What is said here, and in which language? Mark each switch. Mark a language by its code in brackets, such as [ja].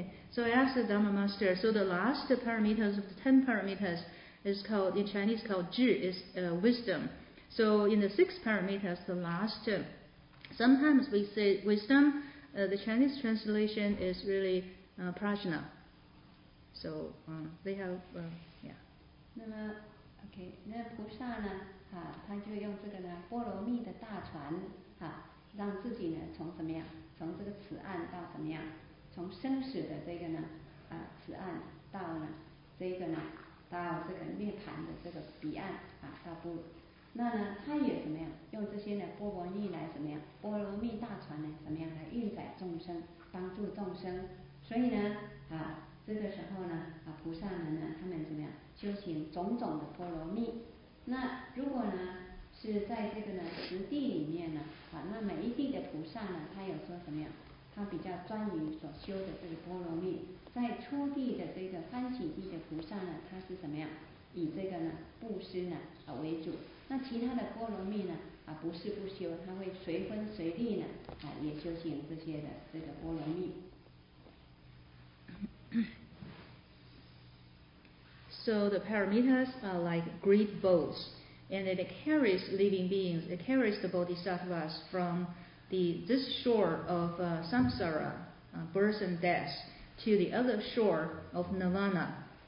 [en] So I asked the Dharma Master, so the last parameters of the 10 parameters is called, in Chinese called 智, is wisdom. So in the 6 parameters, the last, sometimes we say wisdom, the Chinese translation is really prajna. So they have, yeah. [zh] 那么 OK, 那菩萨呢，他就用这个呢波罗蜜的大船，让自己呢从什么样？从这个此岸到怎么样？从生死的这个呢，此岸到呢，这个呢，到这个涅槃的这个彼岸啊，到不，那呢，他也怎么样？用这些呢，波罗蜜来怎么样？波罗蜜大船呢，怎么样来运载众生，帮助众生？所以呢，这个时候呢，菩萨们呢，他们怎么样修行种种的波罗蜜？那如果呢？是在这个呢十地里面呢，那每一地的菩萨呢，他有说什么呀？他比较专于所修的这个波罗蜜。在初地的这个欢喜地的菩萨呢，他是什么呀？以这个呢布施呢为主。那其他的波罗蜜呢，啊，不是不修，他会随分随地呢，啊，也修行这些的这个波罗蜜。 [en] So the paramitas are like great boats, and it carries living beings. It carries the bodhisattvas from this shore of samsara, birth and death, to the other shore of nirvana.